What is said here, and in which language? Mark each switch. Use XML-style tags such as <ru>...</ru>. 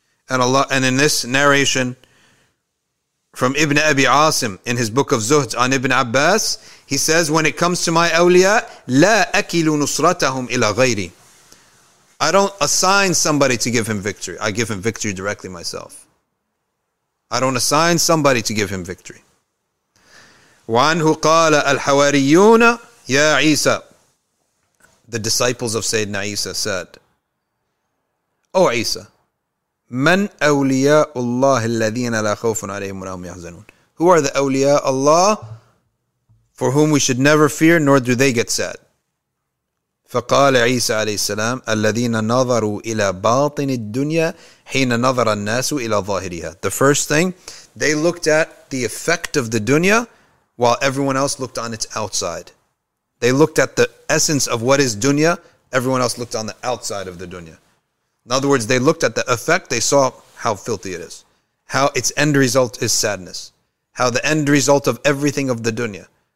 <en>And Allah, and in this narration from Ibn Abi Asim in his book of Zuhd on Ibn Abbas, he says, when it comes to my awliya,</en> <ar>لا أكل نصرتهم إلى غيري.</ar> <en>I don't assign somebody to give him victory. I give him victory directly myself. I don't assign somebody to give him victory.</en> <ar>وعنه قال الحواريون يا عيسى.</ar> <en>The disciples of Sayyidina Isa said, O Isa,</en> <ar>من أولياء الله الذين لا خوف عليهم ولا هم يحزنون.</ar> <en>Who are the awliya Allah for whom we should never fear nor do they get sad?</en> <ar>فقال عيسى عليه السلام الذين نظروا إلى باطن الدنيا حين نظر الناس إلى ظاهرها.</ar> <en>The first thing, they looked at the effect of the dunya while everyone else looked on its outside. They looked at the essence of what is dunya, everyone else looked on the outside of the dunya. In other words, they looked at the effect, they saw how filthy it is. How its end result is sadness. How the end result of everything of the dunya.</en>